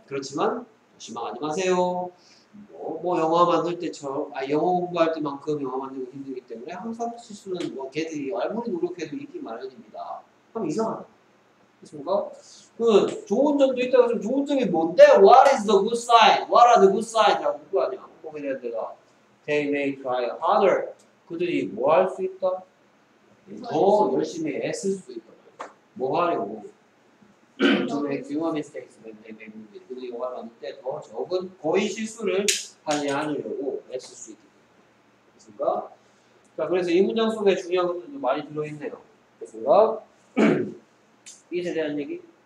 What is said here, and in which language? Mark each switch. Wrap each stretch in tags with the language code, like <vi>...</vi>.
<ko>그렇지만 실망하지 마세요. 뭐 영화 만들 때처럼 영어 공부할 때만큼 영화 만들기 힘들기 때문에 항상 실수는 뭐 걔들이 아무리 노력해도 있기 마련입니다. 그럼 이상하네. 그렇습니까? 그 좋은 점도 있다고 하면 좋은 점이 뭔데?</ko> <en>What is the good side? What are the good side?</en> <ko>라고 그거 아니야. 거기 대한 내가</ko> <en>They may try harder.</en> <ko>그들이 뭐 할 수 있다? 더 열심히 애쓸 수도 있다. 뭐 하려고?</ko> <en>To make fewer mistakes when they make movies.</en> <ko>그들이 영화 만들 때 더 적은 거의 실수를 하지 않으려고 애쓸 수 있게. 됐습니까? 자, 그래서 이 문장 속에 중요한 것들도 많이 들어있네요. 됐습니까? 이에 대한 얘기?</ko>